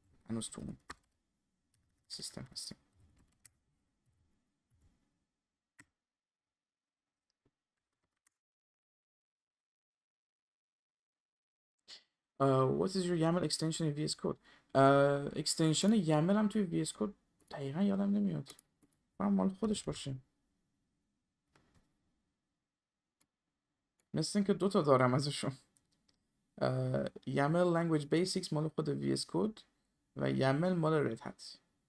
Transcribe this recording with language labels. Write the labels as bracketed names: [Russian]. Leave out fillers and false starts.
[Persian] هنوز تو اون سیستم هستیم. [English] What is your YAML extension in VS Code? [Persian] Extension YAML هم توی VS Code دقیقا یادم نمیاد. برم مال خودش باشه. مثل اینکه دوتا دارم ازشون. YAML language basics مال خود VS Code و YAML مال Red Hat.